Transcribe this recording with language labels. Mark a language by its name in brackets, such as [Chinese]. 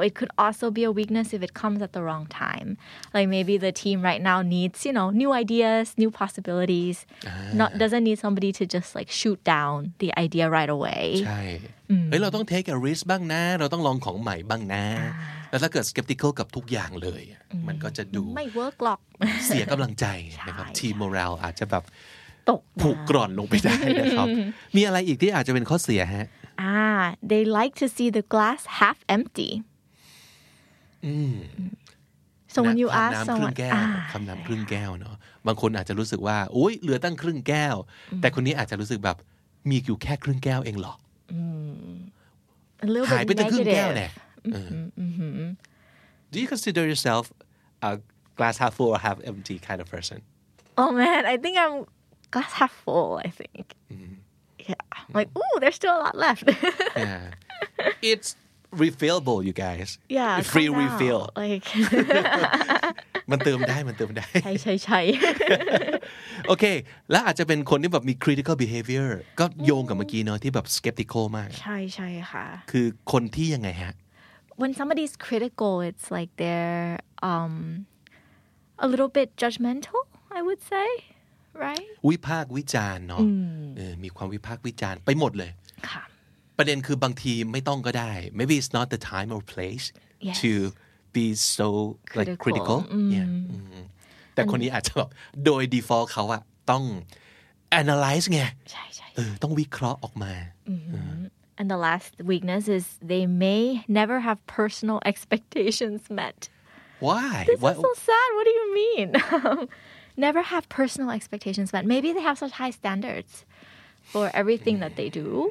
[English] It could also be a weakness if it comes at the wrong time. Like maybe the team right now needs, you know, new ideas, new possibilities. Not doesn't need somebody to just like shoot down the idea right away. [Thai] ใช่เฮ้ยเราต้อง [English] take a risk [Thai] บ้างนะเราต้องลองของใหม่บ้างนะแล้วถ้าเกิด skeptical กับทุกอย่างเลยมันก็จะดู ไม่ work หรอก เสียกำลังใจนะครับทีม morale อาจจะแบบ ตก ผุกร่อนลงไปได้นะครับมีอะไรอีกที่อาจจะเป็นข้อเสียฮะ [English] They like to see the glass half empty. So when you ask someone, [Thai] คำนำครึ่งแก้วเนาะบางคนอาจจะรู้สึกว่าโอ้ยเหลือตั้งครึ่งแก้วแต่คนนี้อาจจะรู้สึกแบบมีอยู่แค่ครึ่งแก้วเองหรอก หายไปตั้งครึ่งแก้วเนี่ย [English] Do you consider yourself a glass half full or half empty kind of person? Oh man, I think I'm glass half full. I think. Yeah, I'm like, ooh, there's still a lot left. Yeah. It's refillable, you guys. Yeah. Free refill. Like. [Thai] มันเติมได้มันเติมได้ ใช่ใช่ใช่โอเคแล้วอาจจะเป็นคนที่แบบมี [English] critical behavior [Thai] ก็โยงกับเมื่อกี้เนาะที่แบบ skeptical มาก ใช่ใช่ค่ะ คือคนที่ยังไงฮะ [English] When somebody's critical, it's like they're a little bit judgmental, I would say. Right? [Thai] วิพากษ์วิจารณ์เนาะมีความวิพากษ์วิจารณ์ไปหมดเลยประเด็นคือบางทีไม่ต้องก็ได้ [English] maybe it's not the time or place to be so like critical [Thai] แต่คนนี้อาจจะแบบโดย default เขาอะต้อง analyze ไง ใช่ใช่ต้องวิเคราะห์ออกมา [English] and the last weakness is they may never have personal expectations met why this is so sad what do you mean Never have personal expectations, but maybe they have such high standards for everything that they do.